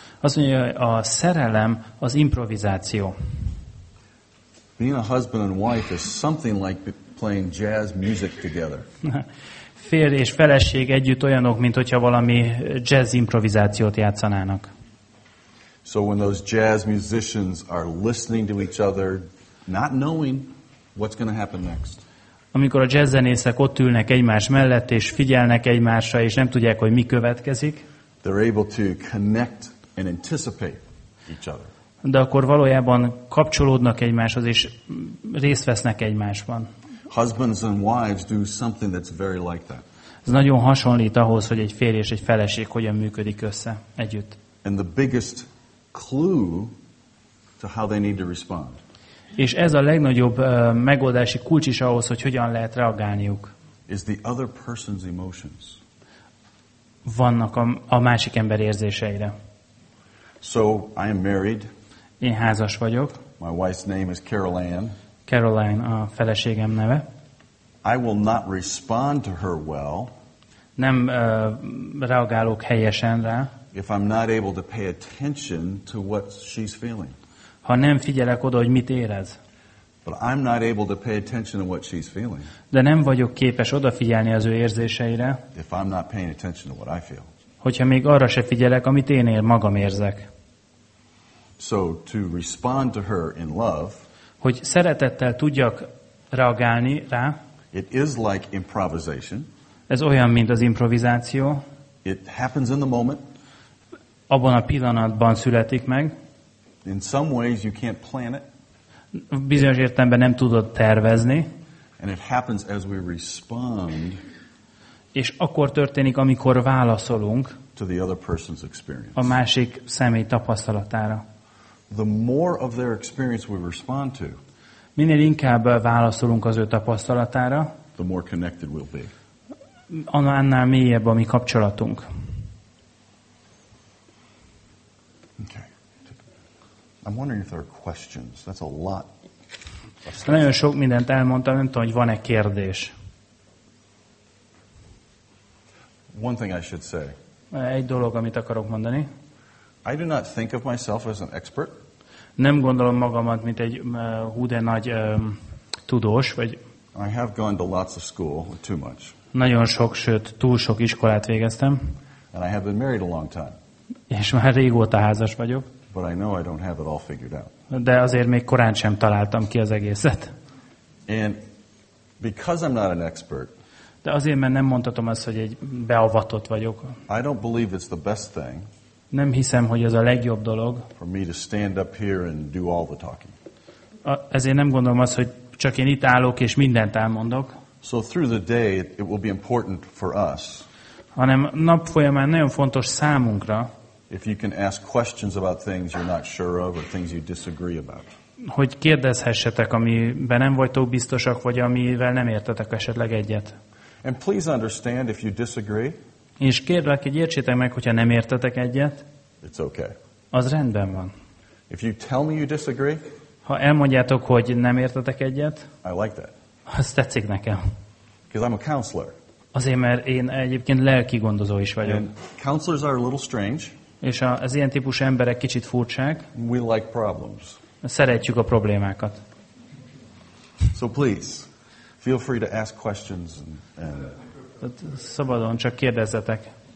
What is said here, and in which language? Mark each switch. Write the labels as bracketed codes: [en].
[hu] Azt mondja, a szerelem az improvizáció. [en] Being a husband and wife is something like playing jazz music together. [hu] Férj és feleség együtt olyanok, mint hogyha valami jazz improvizációt játszanának. [en] So when those jazz musicians are listening to each other, not knowing what's going to happen next. [hu] Amikor a jazzzenészek ott ülnek egymás mellett és figyelnek egymásra és nem tudják, hogy mi következik. [en] They're able to connect and anticipate each other. [hu] De akkor valójában kapcsolódnak egymáshoz és részt vesznek egymásban. [en] Husbands and wives do something that's very like that. [hu] Ez nagyon hasonlít ahhoz, hogy egy férj és egy feleség hogyan működik össze együtt. [en] And the biggest clue to how they need to respond. [hu] És ez a legnagyobb megoldási kulcs is ahhoz, hogy hogyan lehet reagálniuk. [en] Is the other person's emotions. [hu] Vannak a másik ember érzéseire. [en] So I am married. [hu] Én házas vagyok. [en] My wife's name is Carol Ann. [hu] Caroline a feleségem neve. [en] I will not respond to her well. [hu] Nem reagálok helyesen rá. [en] If I'm not able to pay attention to what she's feeling. [hu] Ha nem figyelek oda, hogy mit érez. [en] But I'm not able to pay attention to what she's feeling. [hu] De nem vagyok képes odafigyelni az ő érzéseire. [en] If I'm not paying attention to what I feel. [hu] Hogyha még arra se figyelek, amit én magam érzek. [en] So to respond to her in love. [hu] Hogy szeretettel tudjak reagálni rá. [en] It is like improvisation. [hu] Ez olyan, mint az improvizáció. [en] It happens in the moment. [hu] Abban a pillanatban születik meg. [en] In some ways you can't plan it. [hu] Bizonyos értelemben nem tudod tervezni. [en] And it happens as we respond. [hu] És akkor történik, amikor válaszolunk [en] to the other person's experience. [hu] A másik személy tapasztalatára. [en] The more of their experience we respond to. [hu] Minél inkább válaszolunk az ő tapasztalatára. [en] The more connected we'll be. [hu] Annál mélyebb a mi kapcsolatunk. [en] Okay. I'm wondering if there are questions. That's a lot. [hu] Nagyon sok mindent elmondtam, nem tudom, hogy van-e kérdés. [en] One thing I should say. [hu] Egy dolog, amit akarok mondani. [en] I do not think of myself as an expert. [hu] Nem gondolom magamat, mint egy húde nagy tudós, vagy. [en] I have gone to lots of school, too much. [hu] Nagyon sok, sőt, túl sok iskolát végeztem. [en] And I have been married a long time. [hu] És már régóta házas vagyok. [en] But I know I don't have it all figured out. [hu] De azért még korán sem találtam ki az egészet. [en] And because I'm not an expert. [hu] De azért, mert nem mondhatom azt, hogy egy beavatott vagyok. [en] I don't believe it's the best thing. [hu] Nem hiszem, hogy ez a legjobb dolog. [en] For me to stand up here and do all the talking. [hu] Ezért nem gondolom azt, hogy csak én itt állok és mindent elmondok. [en] So through the day it will be important for us. [hu] Hanem nap folyamán nagyon fontos számunkra. [en] If you can ask questions about things you're not sure of or things you disagree about. [hu] Hogy kérdezhessetek, amiben nem vagytok biztosak, vagy amivel nem értetek esetleg egyet. [en] And please understand if you disagree. [hu] És kérlek, hogy értsétek meg, hogyha nem értetek egyet. [en] It's okay. [hu] Az rendben van. [en] If you tell me you disagree. [hu] Ha elmondjátok, hogy nem értetek egyet. [en] I like that. [hu] Az tetszik nekem. [en] Because I'm a counselor. [hu] Azért, mert én egyébként lelki gondozó is vagyok. [en] And counselors are a little strange. [hu] És az ilyen típus emberek kicsit furcsák. [en] We like problems. [hu] Szeretjük a problémákat. [en] So please, feel free to ask questions and [hu] szabadon, csak kérdezzetek.